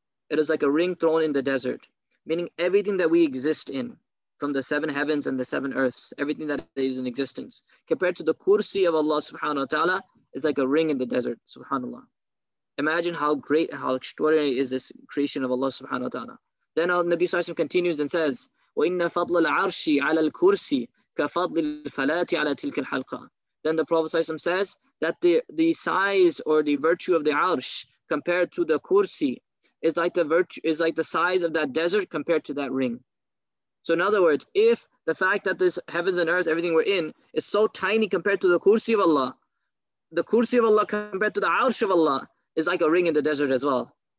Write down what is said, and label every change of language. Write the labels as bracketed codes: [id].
[en] It is like a ring thrown in the desert, meaning everything that we exist in, from the seven heavens and the seven earths, everything that is in existence, compared to the kursi of Allah subhanahu wa ta'ala, is like a ring in the desert, subhanAllah. Imagine how great and how extraordinary is this creation of Allah subhanahu wa ta'ala. Then Nabi sallallahu alayhi wa sallam continues and says, [ar] وَإِنَّ فَضْلَ الْعَرْشِ عَلَى الْكُرْسِ كَفَضْلِ الْفَلَاتِ عَلَى تِلْكَ الْحَلْقَةِ. [en] Then the Prophet sallallahu alayhi wa sallam says that the size or the virtue of the arsh compared to the kursi is like the virtue, is like the size of that desert compared to that ring. So in other words, if the fact that this heavens and earth, everything we're in, is so tiny compared to the kursi of Allah compared to the arsh of Allah is like a ring in the desert as well.